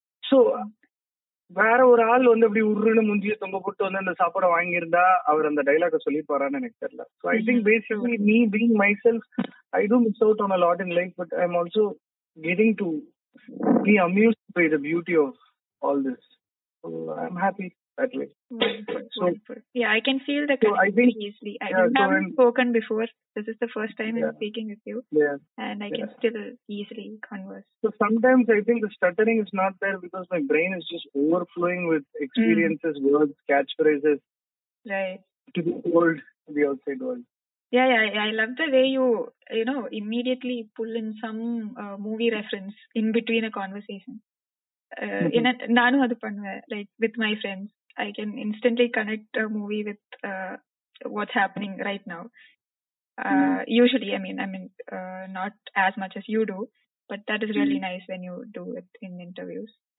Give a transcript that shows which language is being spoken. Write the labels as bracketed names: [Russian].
[English] so [Tamil] வேற ஒரு ஆள் வந்து அப்படி உருன்னு முந்திய தொங்க போட்டு வந்து அந்த சாப்பாடு வாங்கியிருந்தா அவர் அந்த டைலாக சொல்லிப்பாரான்னு எனக்கு தெரியல. [English] So I think basically me being myself I do miss out on a lot in life, but I am also getting to be amused by the beauty of all this. I am happy. Exactly. So, yeah, I can feel the connection easily. I haven't spoken before. This is the first time I'm speaking with you. Yeah. And I can still easily converse. So sometimes I think the stuttering is not there because my brain is just overflowing with experiences, words, catchphrases. Right. To the world, to the outside world. Yeah, yeah. I love the way you, you know, immediately pull in some movie reference in between a conversation. [Tamil] நானும் அது பண்ணுவேன், [English] Like with my friends I can instantly connect a movie with what's happening right now. Usually I mean not as much as you do, but that is really nice when you do it in interviews.